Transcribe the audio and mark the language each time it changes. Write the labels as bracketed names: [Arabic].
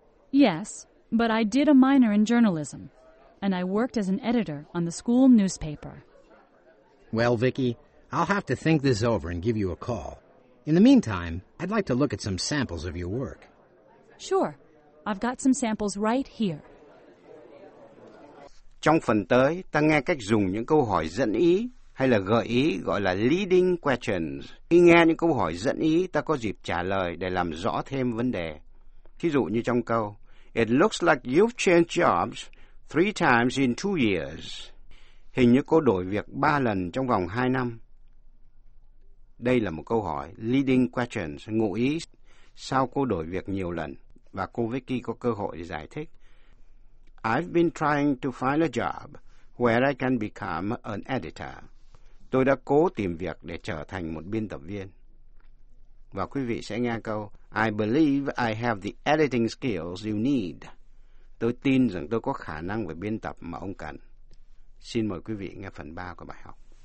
[English] Yes, but I did a minor in journalism, and I worked as an editor on the school newspaper. Well, Vicky, I'll have to think this over and give you a call. In the meantime, I'd like to look at some samples of your work. Sure. I've got some samples right here. [Vietnamese] Trong phần tới, ta nghe cách dùng những câu hỏi dẫn ý hay là gợi ý gọi là leading questions. Khi nghe những câu hỏi dẫn ý, ta có dịp trả lời để làm rõ thêm vấn đề. Ví dụ như trong câu, [English] It looks like you've changed jobs 3 times in 2 years. [Vietnamese] Hình như cô đổi việc 3 lần trong vòng 2 năm. Đây là một câu hỏi leading questions, ngụ ý sao cô đổi việc nhiều lần, và cô Vicky có cơ hội để giải thích. [English] I've been trying to find a job where I can become an editor. [Vietnamese] Tôi đã cố tìm việc để trở thành một biên tập viên. Và quý vị sẽ nghe câu, [English] I believe I have the editing skills you need. [Vietnamese] Tôi tin rằng tôi có khả năng về biên tập mà ông cần. Xin mời quý vị nghe phần 3 của bài học.